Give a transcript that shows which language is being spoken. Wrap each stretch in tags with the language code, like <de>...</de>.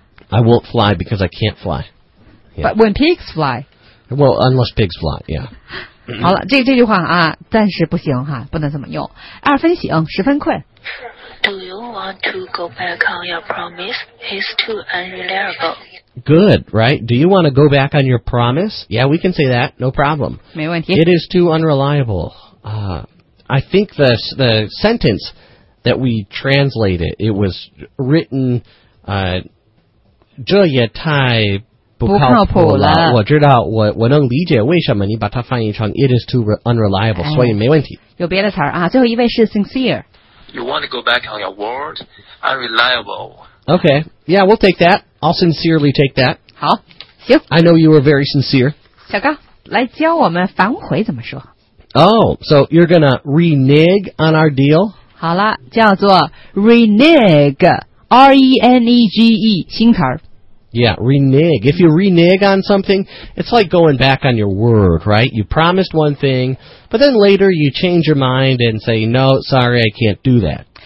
<en>I won't fly because I can't fly.、Yeah. But when pigs fly. Well, unless pigs fly, yeah.</en> <zh>好了，这句话啊，暂时不行哈，不能这么用。二分醒，十分困。</zh> <en>Do you want to go back on your promise? It's too unreliable. Good, right? Do you want to go back on your promise? Yeah, we can say that. No problem.</en> <zh>没问题。</zh> <en>It is too unreliable. I think the sentence that we translated it was written.</en> <zh>这也太不靠谱了，我知道，我能理解为什么你把它翻译成</zh> <en>it is too unreliable，</en> <zh>所以没问题。有别的词啊，最后一位是 sincere。</zh> <en>You want to go back on your word? Unreliable. Okay, yeah, we'll take that. I'll sincerely take that.</en> <zh>好，行。</zh> <en>I know you were very sincere.</en> <zh>小高，来教我们反悔怎么说。</zh> <en>Oh, so you're gonna renege on our deal?</en> <zh>好了，叫做 renege, R-E-N-E-G-E, 新词儿。</zh> <en>Yeah, renege. If you renege on something, it's like going back on your word, right? You promised one thing, but then later you change your mind and say, no, sorry, I can't do that.</en>